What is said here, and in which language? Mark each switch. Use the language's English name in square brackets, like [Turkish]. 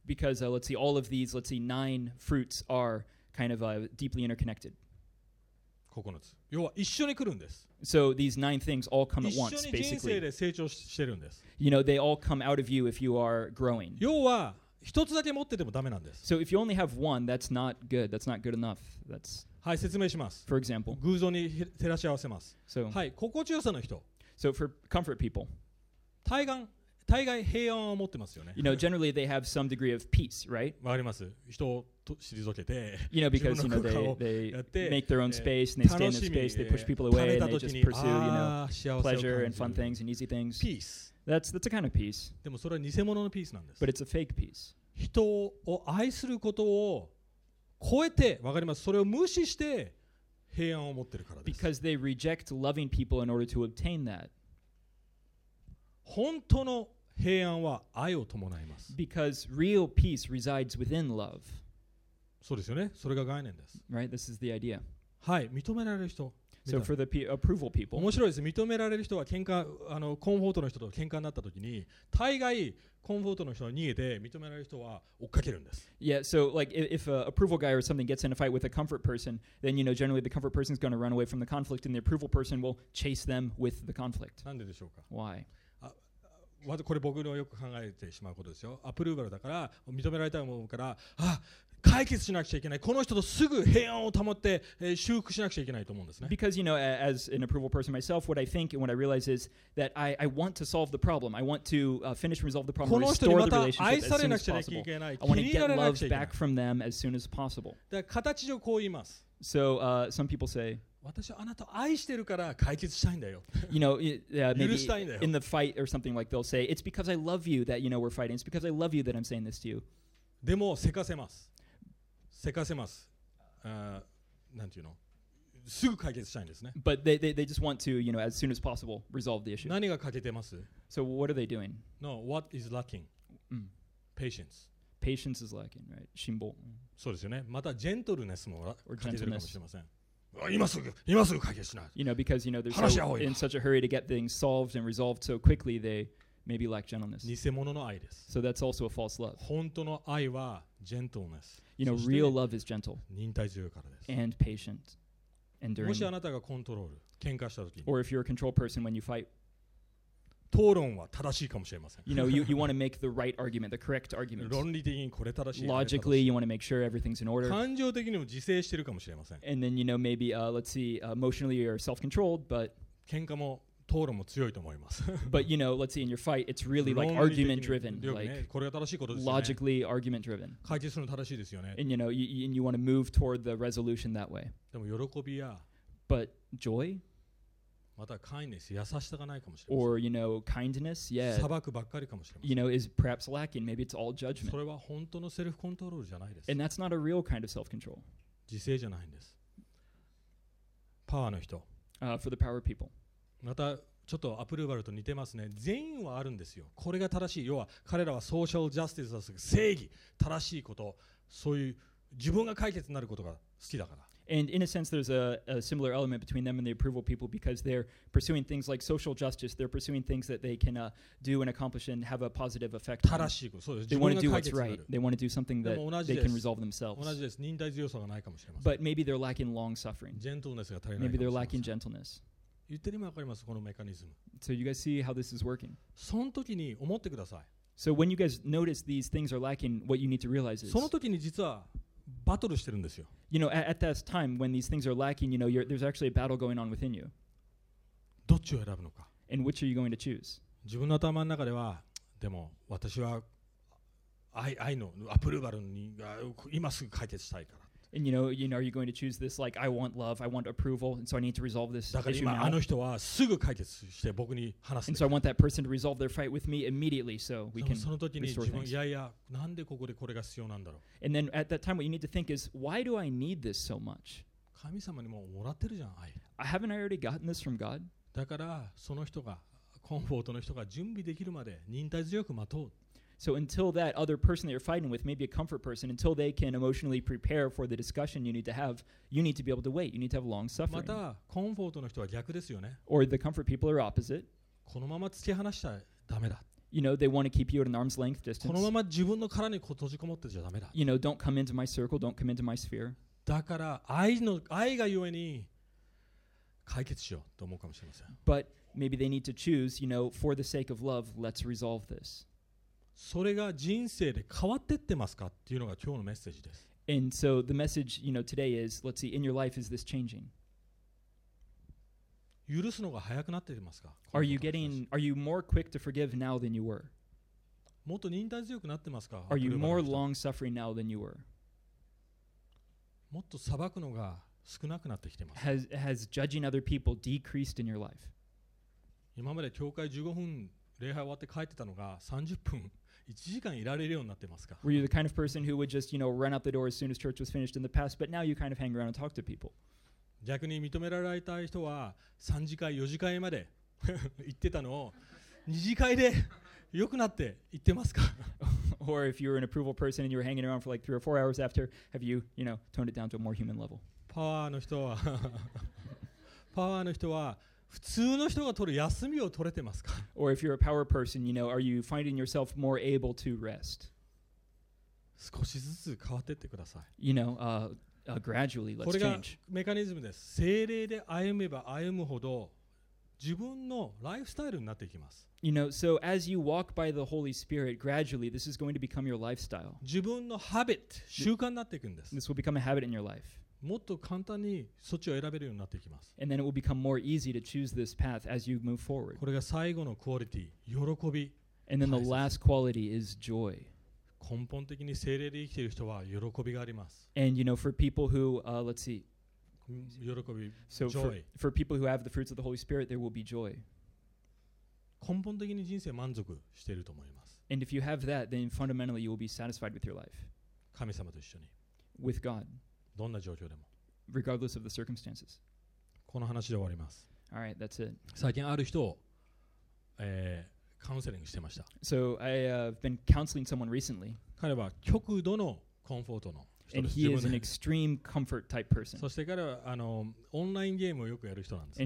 [English] Because, let's see, all of these, let's see, 9 fruits are kind of deeply interconnected. [Japanese] 9つ。要は一緒に来るんです。 [English] So these 9 things all come at once, basically. [Japanese] 一緒に人生で成長してるんです。 [English] You know, they all come out of you if you are growing. [Japanese] 要は一つだけ持っててもダメなんです。 [English] So if you only have one, that's not good. That's not good enough. That's... [Japanese] はい、説明します。 [English] For example. [Japanese] 偶像に照らし合わせます。 [English] So, [Japanese] はい、心地よさの人。 [English] So for comfort people. [Japanese] 対岸。大概平安を持ってますよね。 [English] You know, generally they have some degree of peace, right? [Japanese] わかります。人を退けて、 [English] you know, because, [Japanese] 自分の空間をやって、 [English] you know, they make their own space and they stay in their space, they push people away and they just pursue, you know, pleasure and fun things and easy things. Peace. That's a kind of peace. [Japanese] でもそれは偽物のピースなんです。 [English] But it's a fake peace. [Japanese] 人を愛することを超えて、わかります。それを無視して平安を持ってるからです。 [English] Because they reject loving people in order to obtain that. [Japanese] 本当の平安は愛を伴います。 [English] Because real peace resides within love. [Japanese] そうですよね。それが概念です。 [English] Right? This is the idea. [Japanese] はい。認められる人。 [English] So for the approval people. [Japanese] 面白いです。認められる人は喧嘩、コンフォートの人と喧嘩になったときに、大概コンフォートの人は逃げて、認められる人は追っかけるんです。 [English] Yeah, so like if an approval guy or something gets in a fight with a comfort person, then you know generally the comfort person is going to run away from the conflict and the approval person will chase them with the conflict. [Japanese] なんででしょうか? [English] Why? [Japanese] これ僕のよく考えてしまうことですよ。アプローバルだから認められたいものから、あ、解決しなくちゃいけない。この人とすぐ平安を保って、修復しなくちゃいけないと思うんですね。 [English] Because, you know, as an approval person myself, what I think and what I realize is that I want to solve the problem. I want to finish resolve the problem, restore the relationship as soon as possible. [Japanese] この人にまた愛されなくちゃいけない。気に入られなくちゃいけない。 [English] I want to get love back from them as soon as possible. [Japanese] だから形上こう言います。 [English] So, some people say, [Japanese] 私はあなたを愛してるから解決したいんだよ。 [English] You know, maybe in the fight or something like they'll say, it's because I love you that, you know, we're fighting. It's because I love you that I'm saying this to you. [Japanese] でも、急かせます。急かせます。なんていうの？すぐ解決したいんですね。 [English] But they just want to, you know, as soon as possible, resolve the issue. [Japanese] 何が欠けてます？ [English] So what are they doing? No, what is lacking? Patience. Patience is lacking, right? 辛抱。 [Japanese] そうですよね。またジェントルネスも欠けてるかもしれません。今すぐ解決しない。 [English] You know, because, you know, they're so in such a hurry to get things solved and resolved so quickly, they maybe lack gentleness. [Japanese] 偽物の愛です。 [English] So that's also a false love. [Japanese] 本当の愛は gentleness。 [English] You know, real love is gentle. [Japanese] 忍耐強いからです。 [English] And patient. Enduring. [Japanese] もしあなたがコントロール、喧嘩した時に。 [English] Or if you're a control person when you fight. [Japanese] 討論は正しいかもしれません。 [English] You know, you want to make the right argument, the correct argument. [Japanese] 論理的にこれ正しい。 [English] Logically, you want to make sure everything's in order. [Japanese] 感情的にも自制してるかもしれません。 [English] And then, you know, maybe, let's see, emotionally you're self-controlled, but. [Japanese] 喧嘩も討論も強いと思います。 [English] But, you know, let's see, in your fight, it's really like argument-driven. [Japanese] 論理的に、 [English] like, [Japanese] ね、これが正しいことですね。 [English] Logically argument-driven. [Japanese] 解決するの正しいですよね。 [English] And, you know, you want to move toward the resolution that way. [Japanese] でも喜びや。 [English] But joy? [Japanese] また kindness 優しさがないかもしれません。 [English] Or you know kindness, yeah. [Japanese] 裁くばっかりかもしれません。 [English] You know is perhaps lacking. Maybe it's all judgment. [Japanese] それは本当のセルフコントロールじゃないです。 [English] And that's not a real kind of self-control. [Japanese] 自制じゃないんです。パワーの人。 [English] For the power people. [Japanese] またちょっとアプルーバルと似てますね。善意はあるんですよ。これが正しい。要は彼らはソーシャルジャスティスだし、正義、正しいこと、そういう自分が解決になることが好きだから。 [English] And in a sense, there's a similar element between them and the approval people because they're pursuing things like social justice. They're pursuing things that they can do and accomplish and have a positive effect. They want to do what's right. They want to do something that they can resolve themselves. [Japanese] 同じです。忍耐強さがないかもしれません。 [English] But maybe they're lacking long suffering. [Japanese] Gentleness が足りない。 [English] Maybe they're lacking gentleness. [Japanese] 言ってるのわかります？このメカニズム。 [English] So you guys see how this is working. [Japanese] その時に思ってください。 [English] So when you guys notice these things are lacking, what you need to realize is. [Japanese] その時に実は。バトルしてるんですよ。 [English] You know, at this time when these things are lacking, you know, there's actually a battle going on within you. [Japanese] どっちを選ぶのか。 [English] And which are you going to choose? [Japanese] 自分の頭の中では、でも私は愛のアプルーバルに今すぐ解決したいから。 [English] And you know, are you going to choose this? Like, I want love, I want approval, and so I need to resolve this issue now. [Japanese] あの人はすぐ解決して僕に話す。 [English] And so I want that person to resolve their fight with me immediately, so we can [Japanese] things. その時に自分、いやいや、なんでここでこれが必要なんだろう。 [English] And then at that time, what you need to think is, why do I need this so much? [Japanese] 神様にももらってるじゃん、愛。 [English] Haven't I already gotten this from God? [Japanese] だからその人が、コンフォートの人が準備できるまで忍耐強く待とう。 [English] So until that other person that you're fighting with, maybe a comfort person, until they can emotionally prepare for the discussion you need to have, you need to be able to wait. You need to have long suffering. [Japanese] またコンフォートの人は逆ですよね。 [English] Or the comfort people are opposite. [Japanese] このまま突き放しちゃダメだ。 [English] You know, they want to keep you at an arm's length distance. [Japanese] このまま自分の殻に閉じこもってちゃダメだ。 [English] You know, don't come into my circle, don't come into my sphere. [Japanese] だから愛がゆえに解決しようと思うかもしれません。 [English] But maybe they need to choose, you know, for the sake of love, let's resolve this. [Japanese] それが人生で変わってってますかっていうのが今日のメッセージです。 [English] And so the message, you know, today is, let's see, in your life, is this changing? [Japanese] 許すのが早くなっていますか？ [English] Are you more quick to forgive now than you were? [Japanese] もっと忍耐強くなってますか？ [English] Are you more long-suffering now than you were? [Japanese] もっと裁くのが少なくなってきてますか？ [English] Has judging other people decreased in your life? [Japanese] 今まで教会15分礼拝終わって帰ってたのが30分1時間いられるようになってますか。 [English] Were you the kind of person who would just, you know, run out the door as soon as church was finished in the past, but now you kind of hang around and talk to people? [Japanese] 逆に認められたい人は3次会、4次会まで行ってたのを2次会で良くなって行ってますか。 [English] Or if you were an approval person and you were hanging around for like 3 or 4 hours after, have you, you know, toned it down to a more human level? [Japanese] パワーの人は普通の人が取る休みを取れてますか？ [English] Or if you're a power person, you know, are you finding yourself more able to rest? [Japanese] 少しずつ変わってってください。 [English] You know, gradually, let's change. [Japanese] これがメカニズムです。聖霊で歩めば歩むほど自分のライフスタイルになっていきます。 [English] You know, so as you walk by the Holy Spirit, gradually this is going to become your lifestyle. [Japanese] 自分のハビット、習慣になっていくんです。 [English] This will become a habit in your life. [Japanese] もっと簡単にそっちを選べるようになっていきます。 [English] And then it will become more easy to choose this path as you move forward. [Japanese] これが最後のクオリティ、喜び。 [English] And then the last quality is joy. [Japanese] 根本的に聖霊で生きている人は喜びがあります。 [English] And you know, for people who, let's see. [Japanese] 喜び、 [English] so、 joy. For people who have the fruits of the Holy Spirit, there will be joy. [Japanese] 根本的に人生満足していると思います。 [English] And if you have that, then fundamentally you will be satisfied with your life. [Japanese] 神様と一緒に。 [English] With God. [Japanese] どんな状況でも。 [English] Regardless of the circumstances. [Japanese] この話で終わります。 [English] All right, that's it. [Japanese] 最近ある人を、カウンセリングしてました。 [English] So I have been counseling someone recently. [Japanese] 彼は極度のコンフォートの。 [English] And he is an extreme comfort type person. [Japanese] そして彼はあのオンラインゲームをよくやる人なんです、ね。